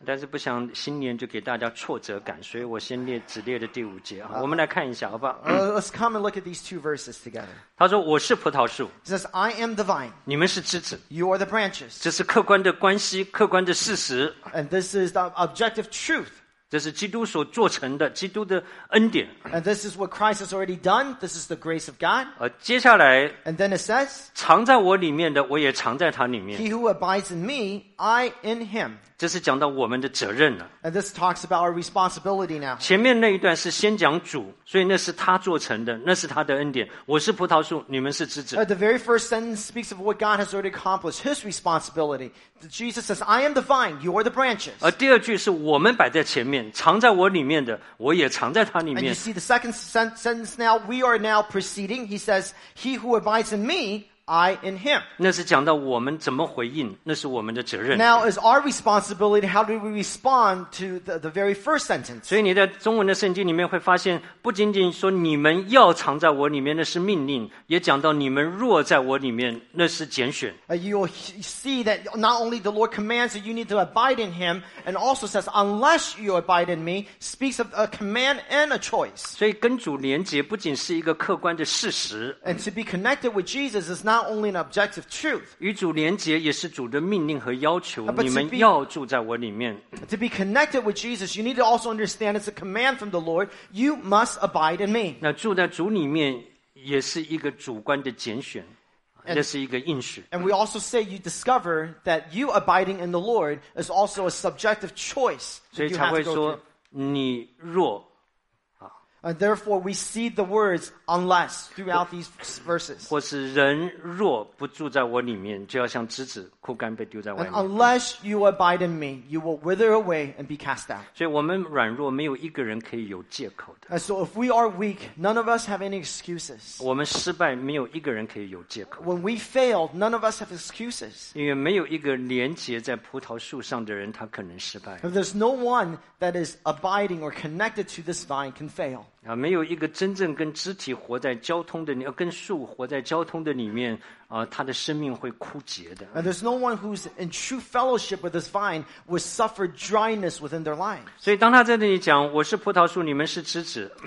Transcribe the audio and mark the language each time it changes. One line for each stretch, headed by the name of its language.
Chinese: 但是不想新年就给大家挫折感，所以我先列只列的第五节。我们来看一下，好不好？
English: Let's come and look at these two verses together.
Chinese: 他说我是葡萄树。
English: He says, I am the vine.
Chinese: 你们是枝子。
English: You are the branches.
Chinese: 这是客观的关系，客观的事实。
English: And this is the objective truth.
Chinese: 这是基督所做成的基督的恩典
English: and this is what Christ has already done this is the grace of God
Chinese: 接下来
English: and then it says
Chinese: 藏在我里面的我也藏在他里面
English: he who abides in me I in him
Chinese: 这是讲到我们的责任了
English: and this talks about our responsibility now
Chinese: 前面那一段是先讲主所以那是他做成的那是他的恩典我是葡萄树你们是枝子
English: the very first sentence speaks of what God has already accomplished his responsibility Jesus says I am the vine you are the branches
Chinese: 第二句是我们摆在前面藏在我里面的我也藏在他里面
English: And you see the second sentence now We are now proceeding He says He who abides in me I in him
Chinese: 那是讲到我们怎么回应那是我们的责任
English: Now is our responsibility How do we respond to the very first sentence
Chinese: 所以你在中文的圣经里面会发现不仅仅说你们要藏在我里面那是命令也讲到你们若在我里面那是拣选
English: You'll see that not only the Lord commands that you need to abide in him and also says unless you abide in me speaks of a command and a choice
Chinese: 所以跟主连结不仅是一个客观的事实
English: And to be connected with Jesus is not only an objective truth
Chinese: 与主连结也是主的命令和要求你们要住在我里面
English: to be connected with Jesus you need to also understand it's a command from the Lord you must abide in me
Chinese: 那住在主里面也是一个主观的拣选那是一个应许
English: and we also say you discover that you abiding in the Lord is also a subjective choice
Chinese: 所以才会说你若
English: And therefore, we see the words unless throughout these verses.
Chinese: 或是人若不住在我里面，就要像枝子枯干被丢在外面。
English: And unless you abide in me, you will wither away and be cast out.
Chinese: 所以我们软弱，没有一个人可以有借口的。
English: And so if we are weak, none of us have any excuses.
Chinese: 我们失败，没有一个人可以有借口。
English: When we fail, none of us have excuses.
Chinese: 因为没有一个连结在葡萄树上的人，他可能失败。
English: If there's no one that is abiding or connected to this vine can fail.
Chinese: 没有一个真正跟肢体活在交通的，跟树活在交通的里面，他的生命会枯竭的。
English: And there's no one who's in true fellowship with this vine would suffer dryness within their lives.
Chinese: 所以当他在那里讲，我是葡萄树，你们是枝子。